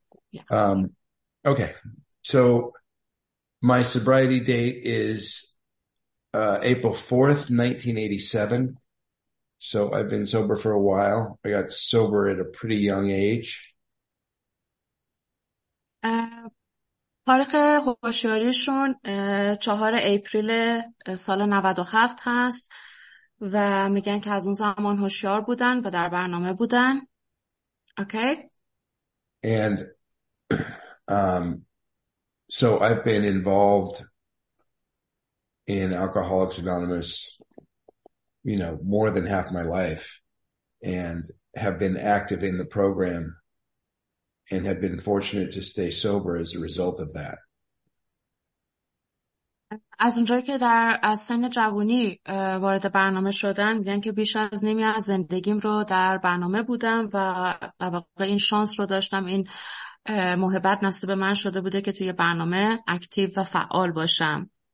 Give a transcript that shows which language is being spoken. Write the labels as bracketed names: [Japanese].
[English] Yeah. Okay. So my sobriety date is April 4th, 1987. So I've been sober for a while. I got sober at a pretty young age. [Persian] تاریخ هوشیاریشون 4 اپریل سال 97 هست و میگن که از اون زمان هوشیار بودن و در برنامه بودن. [English] Okay. And so I've been involved in Alcoholics Anonymous, you know, more than half my life, and have been active in the program and have been fortunate to stay sober as a result of that. [Persian] از اونجایی که در از سن جوانی وارد برنامه شدن، میگن که بیش از نیمی از زندگیم رو در برنامه بودم و در واقع این شانس رو داشتم، این موهبت نصیب من شده بوده که توی برنامه اکتیو و فعال باشم.